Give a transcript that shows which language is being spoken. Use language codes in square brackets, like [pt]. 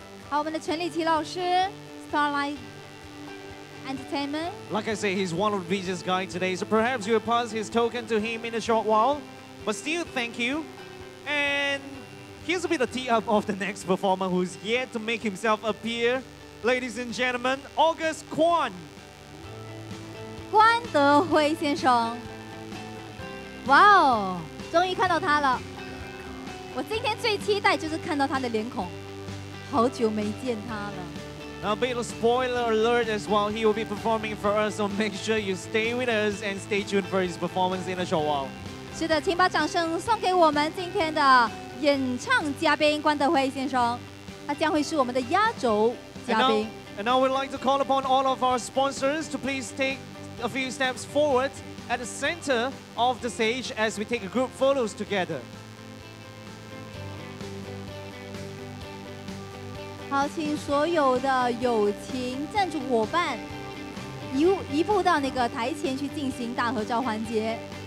[en] Our [zh] 我们的陈立奇老师 Starline Entertainment. [en] Like I say, he's one of the busiest guys today, so perhaps you will pass his token to him in a short while. But still, thank you. And here's a bit of tee up of the next performer who's yet to make himself appear. Ladies and gentlemen, August Kwan. [zh] 关德辉先生，哇哦，终于看到他了！我今天最期待就是看到他的脸孔，好久没见他了。 [en] A bit of spoiler alert as well. He will be performing for us, so make sure you stay with us and stay tuned for his performance in a short while. [zh] 是的，请把掌声送给我们今天的演唱嘉宾关德辉先生，他将会是我们的压轴嘉宾。 [en] And now we'd like to call upon all of our sponsors to please take a few steps forward at the center of the stage as we take a group photos together. [zh] 好，请所有的友情赞助伙伴一步到那个台前去进行大合照环节。